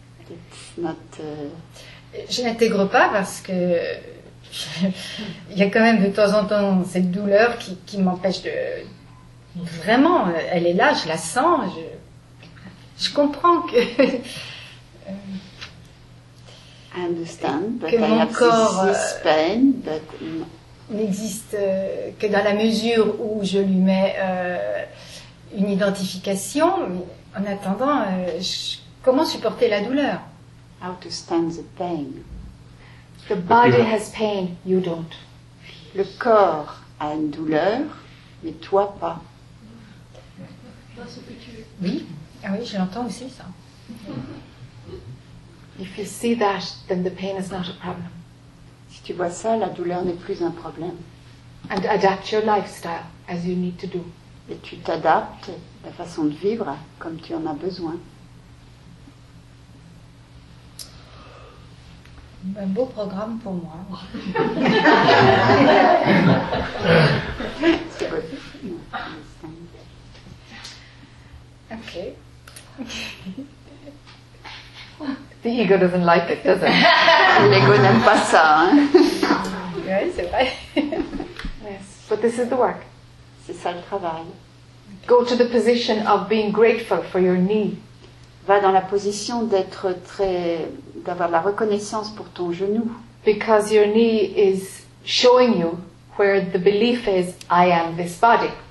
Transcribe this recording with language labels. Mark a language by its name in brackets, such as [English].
[English] It's not. [French] Je n'intègre pas parce que il y a quand même de temps en temps cette douleur qui m'empêche de. Vraiment, elle est là, je la sens, je comprends que. I understand, but que I mon have corps this pain, but n'existe que dans la mesure où je lui mets une identification, mais en attendant, comment supporter la douleur? [English] How to stand the pain. The body has pain, you don't. [French] Le corps a une douleur, mais toi pas. Oui, ah oui, je l'entends aussi ça. [English] If you see that, then the pain is not a problem. [French] Si tu vois ça, la douleur n'est plus un problème. [English] And adapt your lifestyle as you need to do. [French] Et tu t'adaptes la façon de vivre comme tu en as besoin. Un beau programme pour moi. [English] Okay. The ego doesn't like it, does it? [French] L'ego n'aime pas ça. Hein? Oui, c'est vrai. [English] Yes. But this is the work. [French] C'est ça le travail. [English] Go to the position of being grateful for your knee. [French] Va dans la position d'être très, d'avoir la reconnaissance pour ton genou. [English] Because your knee is showing you where the belief is, I am this body.